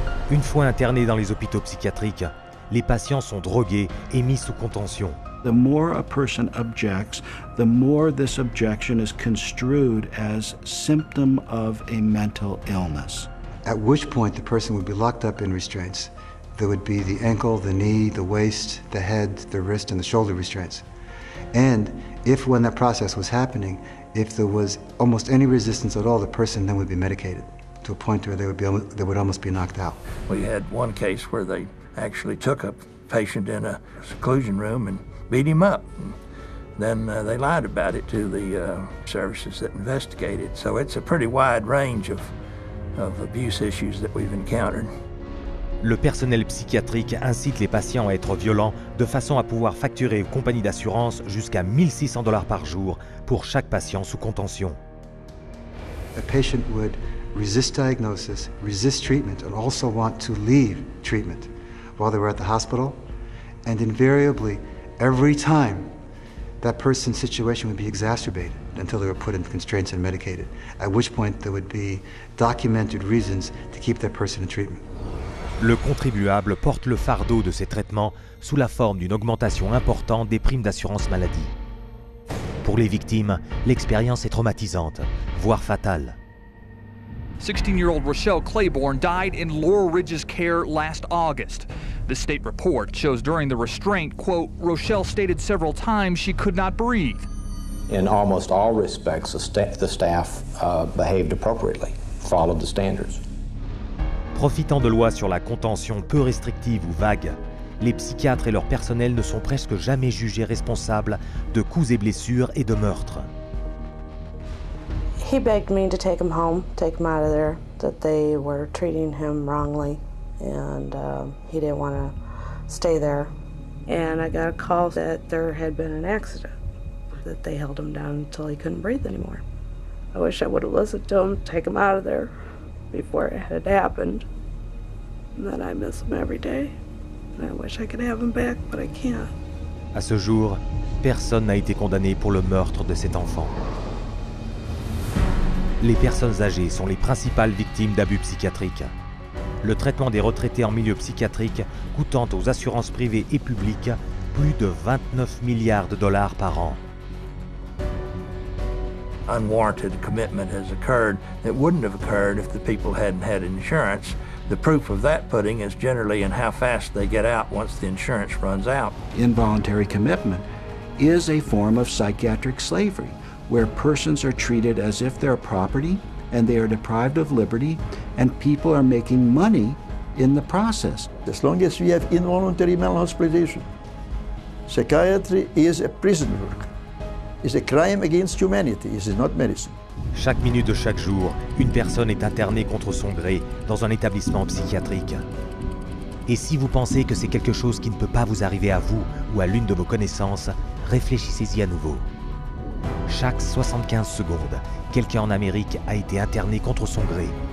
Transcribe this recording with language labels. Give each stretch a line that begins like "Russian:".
French: Une fois internés dans les hôpitaux psychiatriques, les patients sont drogués et mis sous contention.
English: The more a person objects, the more this objection is construed as symptom of a mental illness. At which point the person would be locked up in restraints. There would be the ankle, the knee, the waist, the head, the wrist, and the shoulder restraints. And if when that process was happening, if there was almost any resistance at all, the person then would be medicated to a point where they would almost be knocked out. We had one case where they actually took a patient in a seclusion room and beat him up. Then they lied about it to the services that investigated. So it's a pretty wide range of abuse issues that we've encountered.
French: Le personnel psychiatrique incite les patients à être violents de façon à pouvoir facturer aux compagnies d'assurance jusqu'à 1 600 $ par jour pour chaque patient sous contention.
English: A patient would resist diagnosis, resist treatment, and also want to leave treatment while they were at the hospital. And invariably, every time, that person's situation would be exacerbated until they were put in constraints and medicated, at which point there would be documented reasons to keep that person in treatment.
French: Le contribuable porte le fardeau de ces traitements sous la forme d'une augmentation importante des primes d'assurance maladie. Pour les victimes, l'expérience est traumatisante, voire fatale.
English: 16-year-old Rochelle Claiborne died in Laurel Ridge's care last August. The state report shows during the restraint, quote, Rochelle stated several times she could not breathe. In almost all respects, the staff behaved appropriately, followed the standards.
French: Profitant de lois sur la contention peu restrictives ou vagues, les psychiatres et leur personnel ne sont presque jamais jugés responsables de coups et blessures et de meurtres.
English: He begged me to take him home, take him out of there, that they were treating him wrongly, and he didn't want to stay there. And I got a call that there had been an accident, that they held him down until he couldn't breathe anymore. I wish I would have listened to him, take him out of there before it had happened. And then I miss him every day. And I wish I could have him back, but I can't.
French: À ce jour, personne n'a été condamné pour le meurtre de cet enfant. Les personnes âgées sont les principales victimes d'abus psychiatriques. Le traitement des retraitées en milieu psychiatrique coûtant aux assurances privées et publiques plus de 29 milliards de dollars par an.
English: Unwarranted commitment has occurred that wouldn't have occurred if the people hadn't had insurance. The proof of that pudding is generally in how fast they get out once the insurance runs out. Involuntary commitment is a form of psychiatric slavery, where persons are treated as if they're property and they are deprived of liberty and people are making money in the process. As long as we have involuntary mental hospitalization, psychiatry is a prison work. It's a crime against humanity, it is not medicine.
French: Chaque minute de chaque jour, une personne est internée contre son gré dans un établissement psychiatrique. Et si vous pensez que c'est quelque chose qui ne peut pas vous arriver à vous ou à l'une de vos connaissances, réfléchissez-y à nouveau. Chaque 75 secondes, quelqu'un en Amérique a été interné contre son gré.